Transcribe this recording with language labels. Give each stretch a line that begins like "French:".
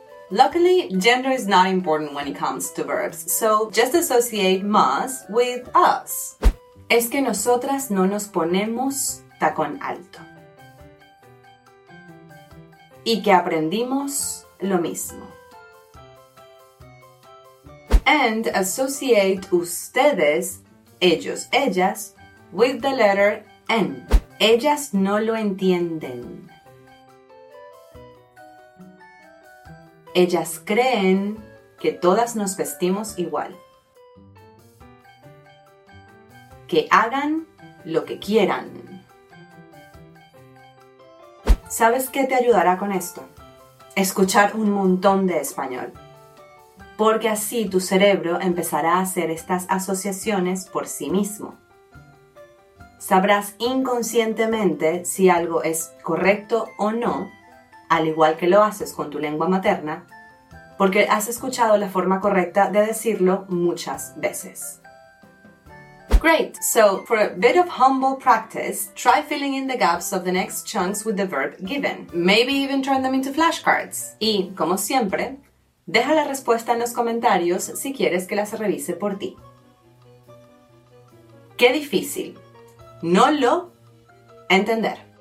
English: Luckily, gender is not important when it comes to verbs, so just associate must with us.
Spanish: Es que nosotras no nos ponemos tacón alto. Y que aprendimos lo mismo.
English: And associate ustedes, ellos, ellas, with the letter N.
Spanish: Ellas no lo entienden. Ellas creen que todas nos vestimos igual. Que hagan lo que quieran. ¿Sabes qué te ayudará con esto? Escuchar un montón de español. Porque así tu cerebro empezará a hacer estas asociaciones por sí mismo. Sabrás inconscientemente si algo es correcto o no, al igual que lo haces con tu lengua materna, porque has escuchado la forma correcta de decirlo muchas veces.
English: Great! So, for a bit of humble practice, try filling in the gaps of the next chunks with the verb given. Maybe even turn them into flashcards.
Spanish: Y, como siempre, deja la respuesta en los comentarios si quieres que las revise por ti. ¡Qué difícil! No lo entender.